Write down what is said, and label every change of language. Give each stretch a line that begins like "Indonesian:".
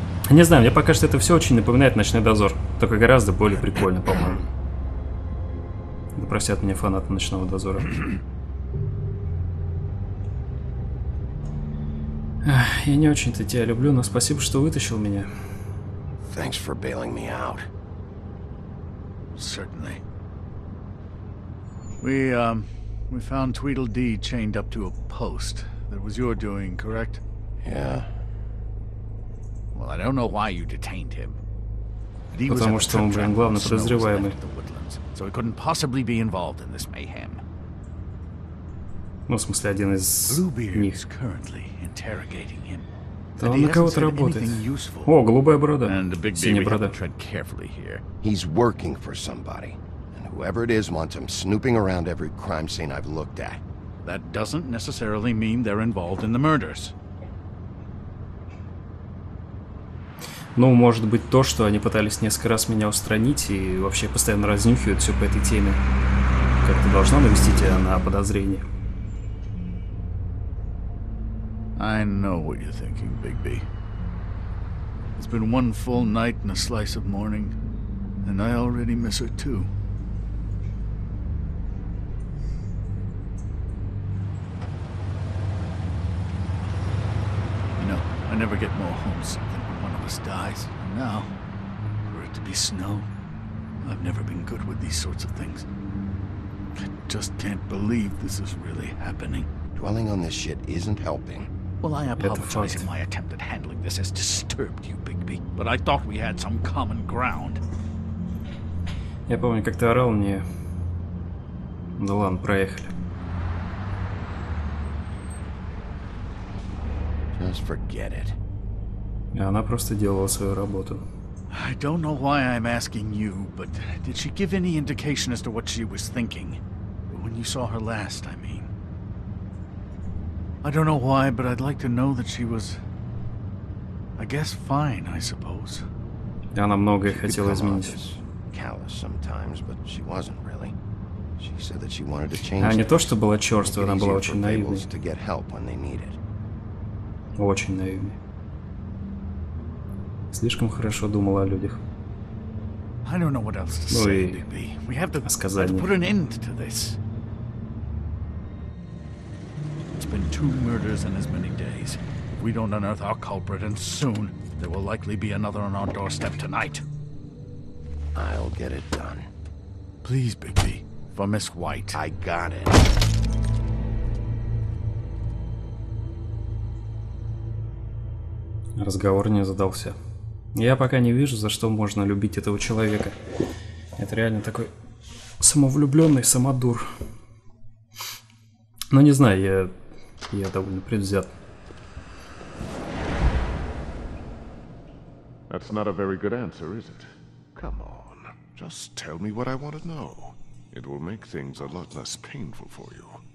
Russian: Не знаю, мне пока что это все очень напоминает Ночной Дозор. Только гораздо более прикольно, по-моему. Да простят меня фанаты Ночного Дозора. Я не очень-то тебя люблю, но спасибо, что вытащил меня.
English: Thanks for bailing me out. Certainly. We found Tweedledee chained up to a post. That was your doing, correct? Yeah. Well, I don't know why you detained him.
Russian: Потому что он, блин, главный подозреваемый.
English: So he couldn't possibly be involved in this mayhem.
Russian: Ну, в смысле, один из них.
English: Interrogating him.
Russian: Да он на кого-то работает. О, голубая борода. Синяя борода.
English: Tread carefully here. He's working for somebody. And whoever it is wants him snooping around every crime scene I've looked at. That doesn't necessarily mean they're involved in the murders.
Russian: Ну, может быть то, что они пытались несколько раз меня устранить и вообще постоянно разнюхивают все по этой теме. Как-то должно навести тебя на подозрение.
English: I know what you're thinking, Bigby. It's been one full night and a slice of morning, and I already miss her too. You know, I never get more homesick than when one of us dies. And now, for it to be snow, I've never been good with these sorts of things. I just can't believe this is really happening. Dwelling on this shit isn't helping. Well, I apologize if my attempt at handling this has disturbed you, Bigby. But I thought we had some common ground.
Russian: Я помню, как ты орал мне. Да ладно, проехали.
English: Just forget it.
Russian: И она просто делала свою работу.
English: I don't know why I'm asking you, but did she give any indication as to what she was thinking? When you saw her last, I mean. I don't know why, but I'd like to know that she was... I guess fine, I suppose.
Russian: И она многое хотела изменить.
English: Callous sometimes, but she wasn't really. She said that she wanted to change.
Russian: А не то, что была черствой, она была очень наивной.
English: To get help when they need it.
Russian: Очень наивной. Слишком хорошо думала о людях.
English: I don't know what else to say, BB. We have to put an end to this. It's been two murders in as many days. If we don't unearth our culprit, and soon there will likely be another on our doorstep tonight. I'll get it done. Please, Bigby, for Miss White. I got it.
Russian: Разговор не задался. Я пока не вижу, за что можно любить этого человека. Это реально такой самовлюбленный самодур. Ну, не знаю, я довольно предвзят.
English: That's not a very good answer, is it? Come on. Just tell me what I want to know. It will make things a lot less painful for you.